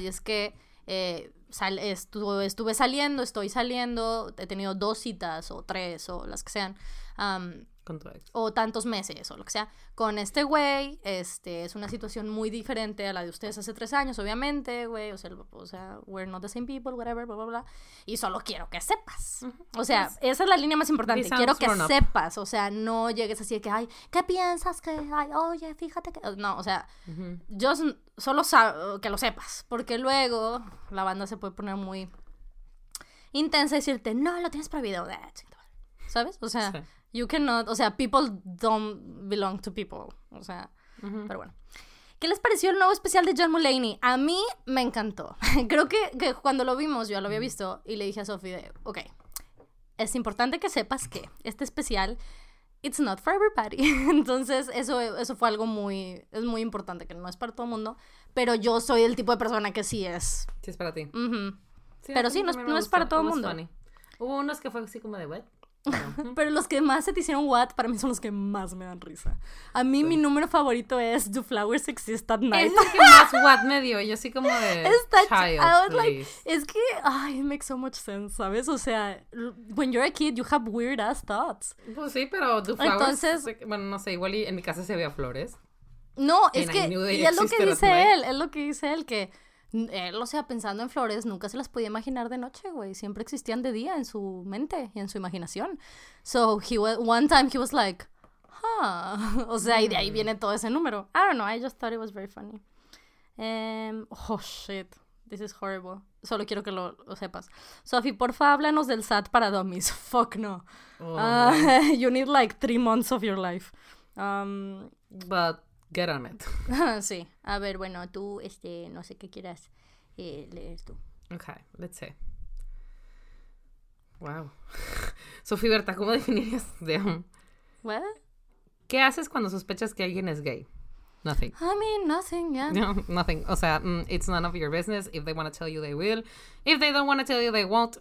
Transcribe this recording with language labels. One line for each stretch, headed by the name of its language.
Spanish: Y es que estoy saliendo, he tenido 2 citas o 3 o las que sean. Con tu ex. O tantos meses, o lo que sea. Con este güey, es una situación muy diferente a la de ustedes hace 3 años, obviamente, güey. O sea,
English: we're not the same people, whatever, blah, blah, blah.
Spanish: Y solo quiero que sepas. O sea, esa es la línea más importante. Quiero que sepas. O sea, no llegues así de que, ay, ¿qué piensas? Que, ay, oye, fíjate que... No, o sea, yo solo que lo sepas. Porque luego la banda se puede poner muy intensa y decirte, no, lo tienes prohibido. ¿Sabes? O sea... Sí.
English: You cannot,
Spanish: o sea,
English: people don't belong to people,
Spanish: o sea, pero bueno. ¿Qué les pareció el nuevo especial de John Mulaney? A mí me encantó. Creo que cuando lo vimos, yo ya lo había visto, y le dije a Sophie, ok, es importante que sepas que este especial,
English: it's not for everybody.
Spanish: Entonces, eso fue algo muy importante, que no es para todo el mundo, pero yo soy el tipo de persona que sí es. Sí, es para ti. Uh-huh. No es para todo el mundo. Hubo unos que fue así como de, what? Pero los que más se te hicieron what para mí son los que más me dan risa. A mí mi número favorito es Do Flowers Exist at Night. Es el que más what me dio. Yo así como de es que, ay,
English: it makes so much sense,
Spanish: ¿sabes? O sea,
English: when you're a kid, you have weird ass thoughts.
Spanish: Pues sí, pero Do Flowers. Entonces, bueno, no sé, igual y en mi casa se veía flores. No, es que, y es lo que dice él. Es lo que dice él, que él, o sea, pensando en flores, nunca se las podía imaginar de noche, güey. Siempre existían de día en su mente y en su imaginación.
English: So, one time he was like, huh.
Spanish: O sea, y de ahí viene todo ese número.
English: I don't know, I just thought it was very funny. Oh, shit. This is horrible.
Spanish: Solo quiero que lo sepas.
English: Sophie,
Spanish: porfa, háblanos del SAT para dummies.
English: Fuck no. You need like 3 months of your life. But... Get on it.
Spanish: Sí. A ver, bueno, tú, no sé qué quieras leer tú.
English: Okay, let's see.
Spanish: Wow. Sofía Berta, ¿cómo definirías?
English: What?
Spanish: ¿Qué haces cuando sospechas que alguien es gay?
English: Nothing. I mean, nothing, yeah. No, nothing.
Spanish: O sea,
English: it's none of your business. If they want to tell you, they will. If they don't want to tell you, they won't.